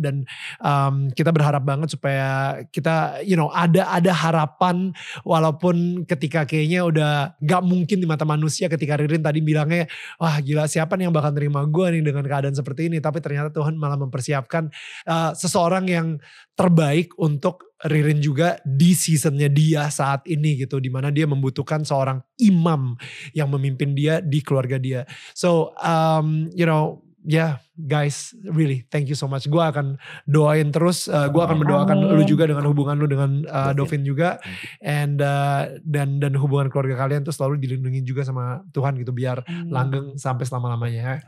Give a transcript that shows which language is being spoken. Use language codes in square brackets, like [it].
[id] Dan kita berharap banget supaya kita, [en] you know, [id] ada harapan walaupun ketika kayaknya udah gak mungkin di mata manusia, ketika Ririn tadi bilangnya, wah gila siapa nih yang bakal terima gue nih dengan keadaan seperti ini. Tapi ternyata Tuhan malah mempersiapkan seseorang yang terbaik untuk Ririn juga di seasonnya dia saat ini gitu, dimana dia membutuhkan seorang imam yang memimpin dia di keluarga dia. [en] So you know, yeah guys, really thank you so much. [id] Gue akan doain terus, gue akan mendoakan lu juga dengan hubungan lu dengan Dovin juga, and dan hubungan keluarga kalian tuh selalu dilindungi juga sama Tuhan gitu, biar langgeng sampai selama-lamanya.